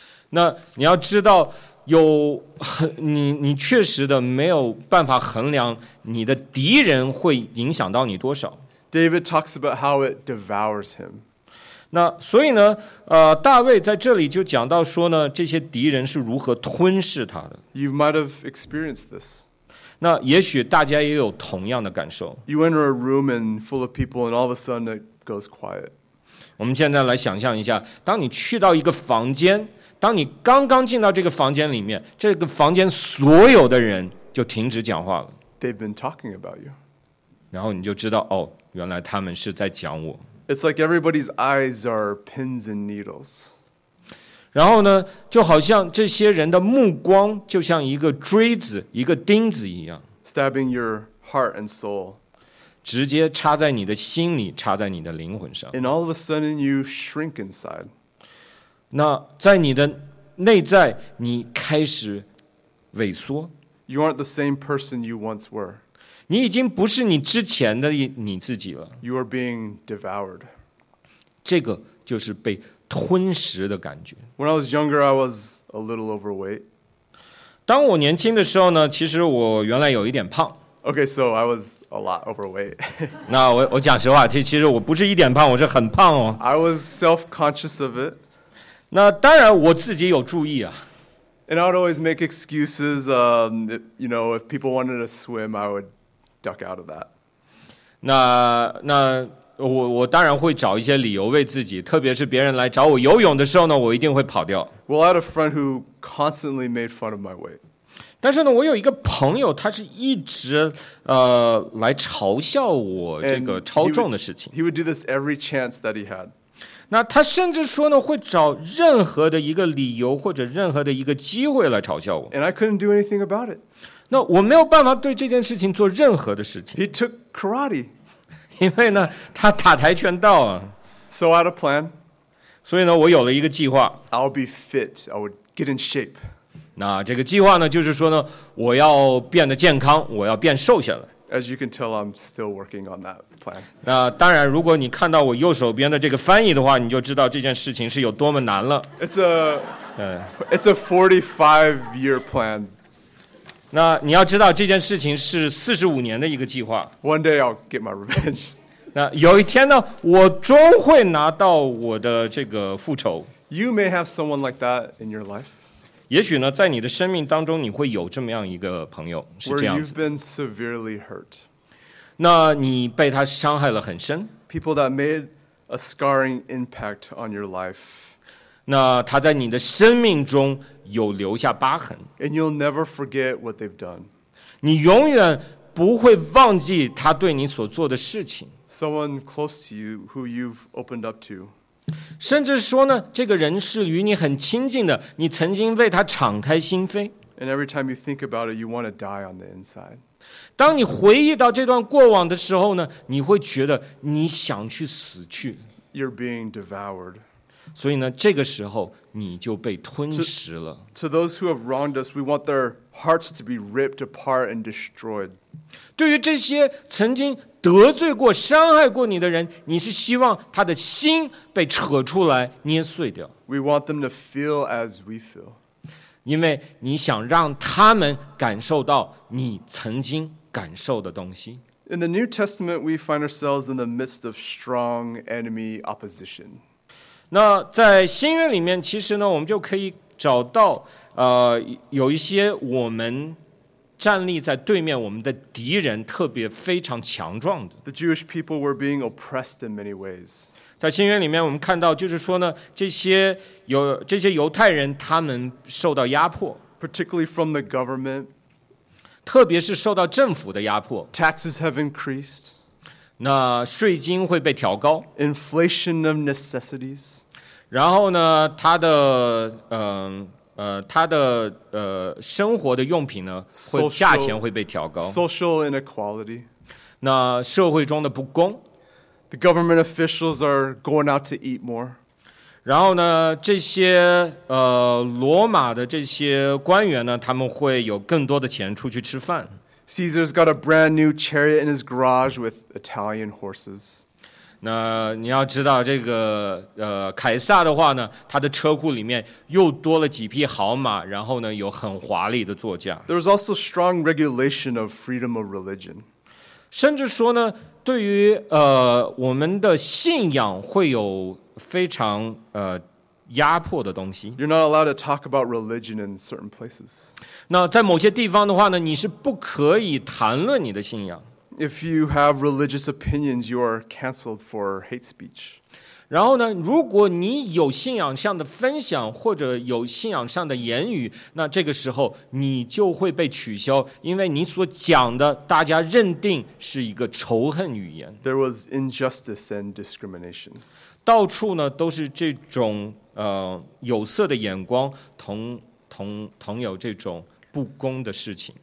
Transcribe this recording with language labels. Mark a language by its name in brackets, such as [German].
[Chinese] 那你要知道，你确实的没有办法衡量你的敌人会影响到你多少。 [English] David talks about how it devours him。 [Chinese] 那所以呢，大卫在这里就讲到说呢，这些敌人是如何吞噬他的。 [English] You might have experienced this. [Chinese] 那也许大家也有同样的感受。 [English] You enter a room and full of people, and all of a sudden it goes quiet. [Chinese] 我们现在来想象一下，当你去到一个房间，当你刚刚进到这个房间里面，这个房间所有的人就停止讲话了。 [English] They've been talking about you. [Chinese] 然后你就知道，哦，原来他们是在讲我。 [English] It's like everybody's eyes are pins and needles. [Chinese] 然后呢，就好像这些人的目光就像一个锥子，一个钉子一样。 [English] Stabbing your heart and soul. [Chinese] 直接插在你的心里，插在你的灵魂上。 [English] And all of a sudden you shrink inside. [Chinese] 那在你的内在，你开始萎缩。 [English] You aren't the same person you once were. [Chinese] 你已经不是你之前的你自己了。 [English] You are being devoured. [Chinese] 这个就是被吞食的感觉。 [English] When I was younger, I was a little overweight. [Chinese] 当我年轻的时候呢，其实我原来有一点胖。 [English] Okay, so I was a lot overweight. [Chinese] 那我讲实话，其实我不是一点胖，我是很胖哦。 [English] I was self-conscious of it. [Chinese] 那当然我自己有注意啊。 [English] And I would always make excuses, you know, if people wanted to swim, I would duck out of that. [Chinese] 那我当然会找一些理由为自己，特别是别人来找我游泳的时候呢，我一定会跑掉。 [English] Well, I had a friend who constantly made fun of my weight. [Chinese] 但是呢，我有一个朋友，他是一直来嘲笑我这个超重的事情。 [English] He would do this every chance that he had. [Chinese] 那他甚至说呢，会找任何的一个理由或者任何的一个机会来嘲笑我。 [English] And I couldn't do anything about it. [Chinese] 那我没有办法对这件事情做任何的事情。 [English] He took karate. [Chinese] 因为呢，他打跆拳道啊。 [English] So I had a plan. [Chinese] 所以呢，我有了一个计划。 [English] I'll be fit. I would get in shape. [Chinese] 那这个计划呢，就是说呢，我要变得健康，我要变瘦下来。 [English] As you can tell, I'm still working on that plan. [Chinese] 那当然，如果你看到我右手边的这个翻译的话，你就知道这件事情是有多么难了。 [English] It's a 45-year plan. [Chinese] 那你要知道这件事情是45年的一个计划。 [English] One day I'll get my revenge. [Chinese] 那有一天呢，我终会拿到我的这个复仇。 [English] You may have someone like that in your life. [Chinese] 也许呢，在你的生命当中，你会有这么样一个朋友，是这样子。 [English] Where you've been severely hurt. [Chinese] 那你被他伤害了很深。 [English] People that made a scarring impact on your life. [Chinese] 那他在你的生命中有留下疤痕。 [English] And you'll never forget what they've done. [Chinese] 你永远不会忘记他对你所做的事情。 [English] Someone close to you who you've opened up to. [Chinese] 甚至说呢，这个人是与你很亲近的，你曾经为他敞开心扉。 [English] And every time you think about it, you want to die on the inside. [Chinese] 当你回忆到这段过往的时候呢，你会觉得你想去死去。 [English] You're being devoured. [Chinese] 所以呢，这个时候你就被吞食了。 [English] To those who have wronged us, we want their hearts to be ripped apart and destroyed. [Chinese] 对于这些曾经得罪过、伤害过你的人，你是希望他的心被扯出来、捏碎掉。 [English] We want them to feel as we feel. [Chinese] 因为你想让他们感受到你曾经感受的东西。 [English] In the New Testament, we find ourselves in the midst of strong enemy opposition. [Chinese] 那在新约里面，其实呢，我们就可以找到，有一些我们站立在对面我们的敌人，特别非常强壮的。 [English] The Jewish people were being oppressed in many ways. [Chinese] 在新约里面，我们看到就是说呢，这些犹太人他们受到压迫 [English] ，particularly from the government. [Chinese] 特别是受到政府的压迫 [English] ，taxes have increased. [Chinese] 那税金会被调高 [English] ，inflation of necessities， [Chinese] 然后呢，他的他的生活的用品呢，会价钱会被调高 [English] ，social inequality， [Chinese] 那社会中的不公 [English] ，the government officials are going out to eat more， [Chinese] 然后呢，这些罗马的这些官员呢，他们会有更多的钱出去吃饭。 [English] Caesar's got a brand new chariot in his garage with Italian horses. [Chinese] 那你要知道这个凯撒的话呢，他的车库里面又多了几匹好马，然后呢有很华丽的座驾。 [English] There was also strong regulation of freedom of religion. [Chinese] 甚至说呢，对于我们的信仰会有非常压迫的东西。 [English] You're not allowed to talk about religion in certain places. [Chinese] 那在某些地方的话呢，你是不可以谈论你的信仰。 [English] If you have religious opinions, you are canceled for hate speech. [Chinese] 然后呢，如果你有信仰上的分享或者有信仰上的言语，那这个时候你就会被取消，因为你所讲的大家认定是一个仇恨语言。 [English] There was injustice and discrimination. [Chinese] 到处呢都是这种有色的眼光，同有这种不公的事情。